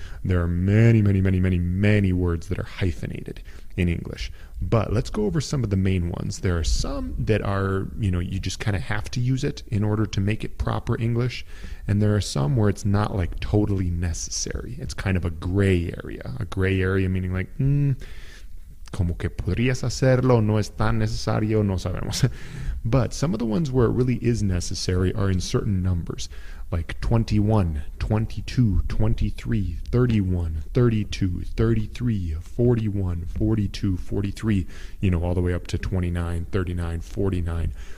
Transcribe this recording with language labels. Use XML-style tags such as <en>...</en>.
<en>There are many, many, many, many, many words that are hyphenated in English. But let's go over some of the main ones. There are some that are, you know, you just kind of have to use it in order to make it proper English. And there are some where it's not like totally necessary. It's kind of a gray area. A gray area meaning like,</en> <es>como que podrías hacerlo, no es tan necesario, no sabemos.</es> <en>But some of the ones where it really is necessary are in certain numbers, like 21, 22, 23, 31, 32, 33, 41, 42, 43, you know, all the way up to 29, 39, 49.</en>